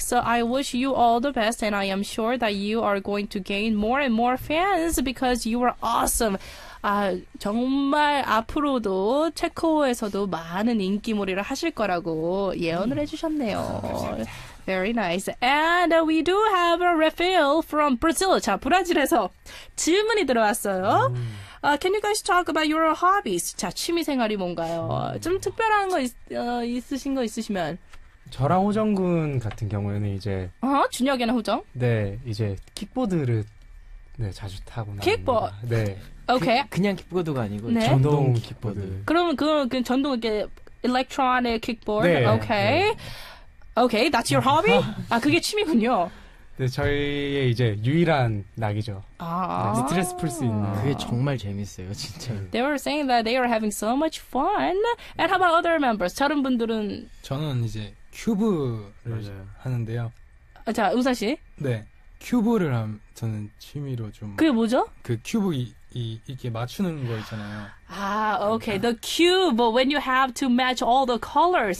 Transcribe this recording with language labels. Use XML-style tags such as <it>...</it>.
<en>So I wish you all the best and I am sure that you are going to gain more and more fans because you are awesome.</en> <ko>아, 정말 앞으로도 체코에서도 많은 인기몰이를 하실 거라고 예언을 해주셨네요.</ko> <en>Very nice. And we do have a Rafael from Brazil.</en> <ko>자, 브라질에서 질문이 들어왔어요.</ko> <en>Can you guys talk about your hobbies?</en> <ko>자, 취미생활이 뭔가요? 좀 특별한 거 있으신 거 있으시면. 저랑 호정군 같은 경우에는 이제 준혁이나 호정? 네, 이제 킥보드를 네, 자주 타고 나. 킥보드? 네. 오케이.</ko> <en>Okay.</en> <ko>그냥 킥보드가 아니고 네? 전동 킥보드. 그러면 그 전동 이렇게 일렉트로닉 킥보드. 네. 오케이.</ko> <en>Okay.</en> <ko>오케이. 네.</ko> <en>Okay, that's your hobby?</en> <ko>아, 그게 취미군요. 네, 저희의 이제 유일한 낙이죠. 아. 스트레스 풀 수 있는. 그게 정말 재밌어요, 진짜.</ko> <en>They were saying that they are having so much fun. And how about other members?</en> <ko>다른 분들은 저는 이제 큐브를 맞아요. 하는데요. 아, 자, 우사 씨. 네. 큐브를 함 저는 취미로 좀 그게 뭐죠? 그 큐브 이렇게 맞추는 거 있잖아요. 아, 오케이.</ko> <en>Okay. The cube when you have to match all the colors.</en>